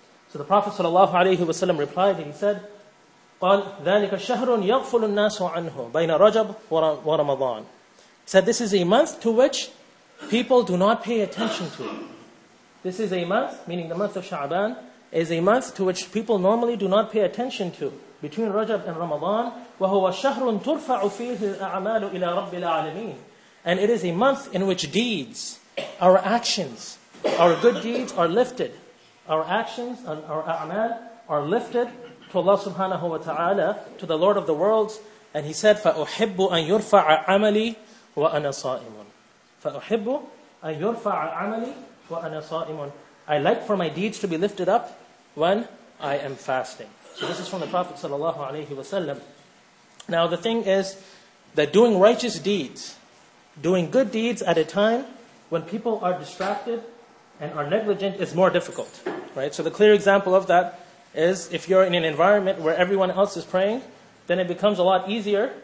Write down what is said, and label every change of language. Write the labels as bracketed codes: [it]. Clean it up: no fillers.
[en] So the Prophet sallallahu alayhi wa sallam replied and he said, [ar] قال ذلك الشهر يغفل الناس عنه بين رجب ورمضان. [en] He said, this is a month to which people do not pay attention to. This is a month, meaning the month of Sha'ban, is a month to which people normally do not pay attention to between Rajab and Ramadan. [ar] وهو شهر ترفع فيه الأعمال إلى رب العالمين. [en] And it is a month in which deeds, our actions, our good deeds are lifted. Our actions and our أعمال are lifted to Allah subhanahu wa ta'ala, to the Lord of the worlds. And he said, [ar] فَأُحِبُّ أَن يُرْفَعَ عَمَلِي وَأَنَا صَائِمٌ. فَأُحِبُّ أَن يُرْفَعَ عَمَلِي وَأَنَا صَائِمٌ. [en] I like for my deeds to be lifted up when I am fasting. So this is from the Prophet sallallahu alayhi wa sallam. Now the thing is that doing righteous deeds, doing good deeds at a time when people are distracted and are negligent is more difficult, right? So the clear example of that is if you're in an environment where everyone else is praying, then it becomes a lot easier.